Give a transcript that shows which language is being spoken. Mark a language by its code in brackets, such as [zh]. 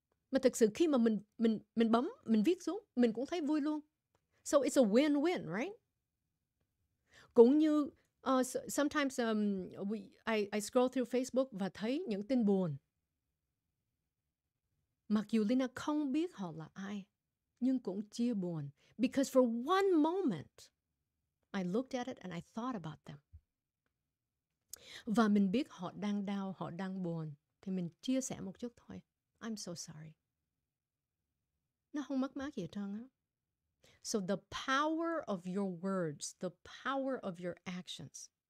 [vi] Mà thực sự khi mà mình bấm, mình viết xuống, mình cũng thấy vui luôn. [en] So it's a win-win, right? [vi] Cũng như [en] sometimes I scroll through Facebook [vi] và thấy những tin buồn. Mặc dù Lina không biết họ là ai, nhưng cũng chia buồn. [en] Because for one moment, I looked at it and I thought about them. [vi] Và mình biết họ đang đau, họ đang buồn. Thì mình chia sẻ một chút thôi. [en] I'm so sorry. [vi] Nó không mất mát gì hết trơn á. [en] So the power of your words, the power of your actions.